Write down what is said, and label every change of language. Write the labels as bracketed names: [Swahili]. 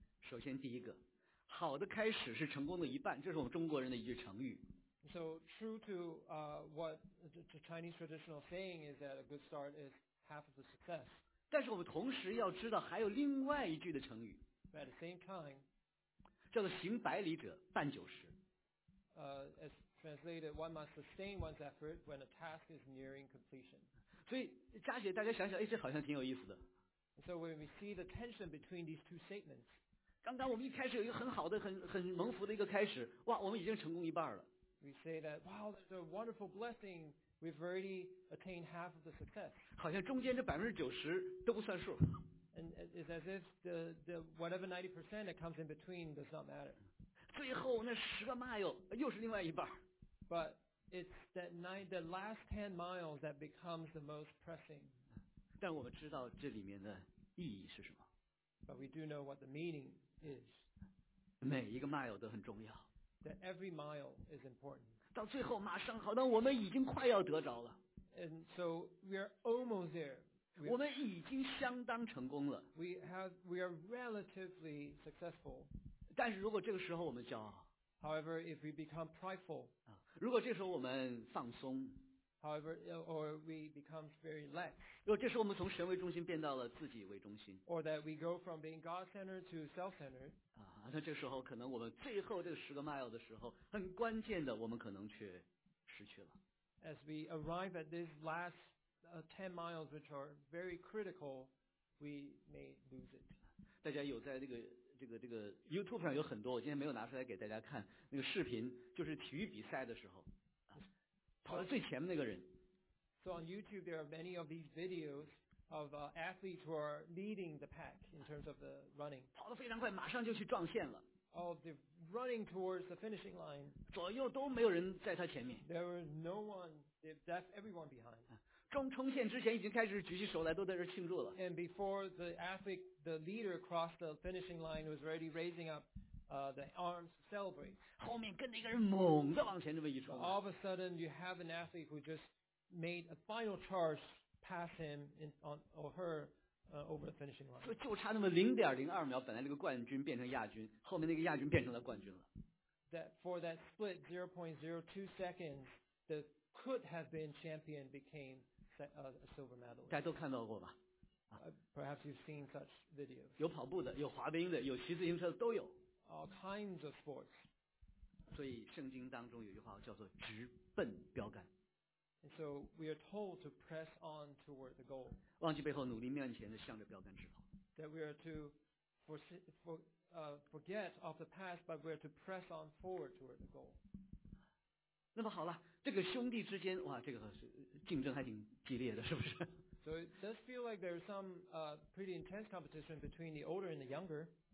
[Chinese] 首先第一个，好的开始是成功的一半，这是我们中国人的一句成语。 [English] So true to what the Chinese traditional saying is that a good start is. Half of the success. [Chinese] 但是我们同时要知道还有另外一句的成语 [English] at the same time, [Chinese] 叫做行百里者半九十 [English] as translated, one must sustain one's effort when a task is nearing completion. [Chinese] 所以佳姐大家想想、哎、这好像挺有意思的 [English] So when we see the tension between these two statements, [Chinese] 刚刚我们一开始有一个很好的 很蒙福的一个开始哇我们已经成功一半了 [English] We say that, wow, that's a wonderful blessingWe've already attained half of the success. [Chinese] 好像中间这百分之九十都不算数。 [English] And it's as if the whatever 90% that comes in between does not matter. [Chinese] 最后那十个 mile 又是另外一半。 [English] But it's that the last 10 miles that becomes the most pressing. [Chinese] 但我们知道这里面的意义是什么。 [English] But we do know what the meaning is. [Chinese] 每一个 mile 都很重要。 [English] That every mile is important. [Chinese] 到最后马上好当我们已经快要得着了 [English] so we are almost there. [Chinese] 我们已经相当成功了 [English] we are relatively successful. [Chinese] 但是如果这个时候我们骄傲 [English] However, if we become prideful, [Chinese] 如果这时候我们放松 [English] However, or we become very lax, [Chinese] 如果这时候我们从神为中心变到了自己为中心 [English] or that we go from being God-centered to self-centered, [Chinese] 那这时候可能我们最后这十个 mile 的时候很关键的我们可能却失去了 [English] As we arrive at this last 10 miles which are very critical we may lose it [Chinese] 大家有在这个 YouTube 上有很多我今天没有拿出来给大家看那个视频就是体育比赛的时候、跑到最前面那个人 [English] So on YouTube there are many of these videosOf athletes who are leading the pack in terms of the running. [Chinese] 跑得非常快，马上就去撞线了。 [English] Of the running towards the finishing line. [Chinese] 左右都没有人在他前面。 [English] There was no one. They've left everyone behind. [Chinese] 冲线之前已经开始举起手来，都在这庆祝了。 [English] And before the athlete, the leader crossed the finishing line, was already raising up the arms to celebrate. [Chinese] 后面跟着一个人猛地往前这么一冲。 [English] So all of a sudden, you have an athlete who just made a final charge. Pass him in, on, or her、over the finishing line. [Chinese] 就差那么0.02秒，本来那个冠军变成亚军，后面那个亚军变成了冠军了。 [English] That for that split 0.02 seconds, the could have been champion became a silver medalist. [Chinese] 大家都看到过吧、 [English] Perhaps you've seen such videos. [Chinese] 有跑步的，有滑冰的，有骑自行车的，都有。 [English] All kinds of sports. [Chinese] 所以圣经当中有句话叫做直奔标杆。 [English] And so we are told to press on toward the goal. [Chinese] 忘记背后，努力面前的，向着标杆直跑。 [English] That we are to forget of the past, but we are to press on forward toward the goal. [Chinese] 那么好了，这个兄弟之间，哇，这个竞争还挺激烈的，是不是 [English] ？So So it does feel like there's some pretty intense competition between the older and the younger.